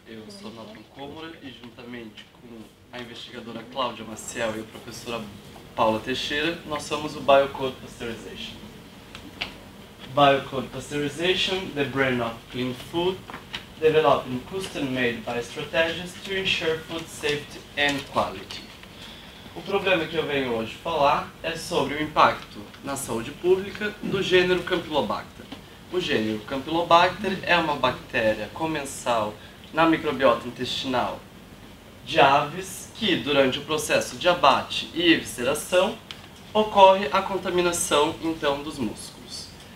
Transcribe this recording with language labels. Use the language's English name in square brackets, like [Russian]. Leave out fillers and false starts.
[Portuguese] Eu sou Nathan Comora e, juntamente com a investigadora Cláudia Maciel e a professora Paula Teixeira, nós somos o Biocode Pasteurization. [English] Biocode Pasteurization, the brand of clean food, developed and custom-made by strategists to ensure food safety and quality. [Portuguese] O problema que eu venho hoje falar é sobre o impacto na saúde pública do gênero Campylobacter. O gênero Campylobacter é uma bactéria comensal na microbiota intestinal de aves que, durante o processo de abate e evisceração, ocorre a contaminação, então, dos músculos.